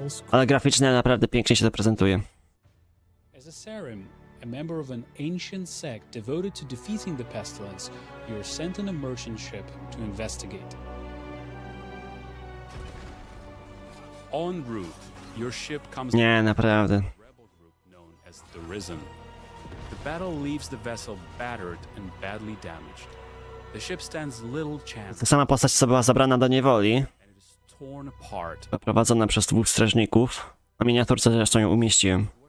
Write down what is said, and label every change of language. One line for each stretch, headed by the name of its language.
Polish: Ale graficznie naprawdę pięknie się to prezentuje.
English: As a Sarim, a member of an ancient sect devoted to defeating the pestilence, you are sent on a merchant ship to investigate. On route, your ship comes.
Polish: Nie, naprawdę.
English: Rebel group known as the Risen. The battle leaves the vessel battered and badly damaged. The ship stands little chance.
Polish: Ta sama postać, co była zabrana do niewoli,
English: and it is torn apart.
Polish: Prowadzona przez dwóch strażników. A miniaturce zresztą ją umieściłem.